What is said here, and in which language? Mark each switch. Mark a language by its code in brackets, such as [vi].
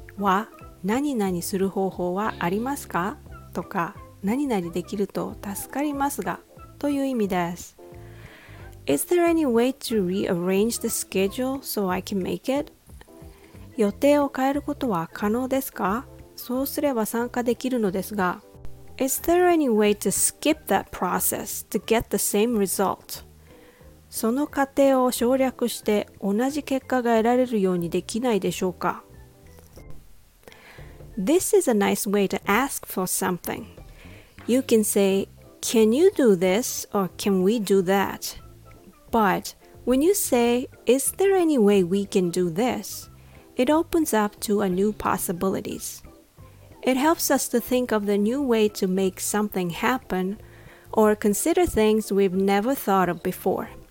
[ja] は何々する方法はありますか？とか何々できると助かりますが、という意味です。 [en] Is there any way to rearrange the schedule so I can make it? [ja] 予定を変えることは可能ですか？そうすれば参加できるのですが。 [en] Is there any way to skip that process to get the same result? [ja] その過程を省略して同じ結果が得られるようにできないでしょうか？ [en] This is a nice way to ask for something. You can say, can you do this or can we do that? But when you say, is there any way we can do this? It opens up to a new possibilities. It helps us to think of the new way to make something happen or consider things we've never thought of before.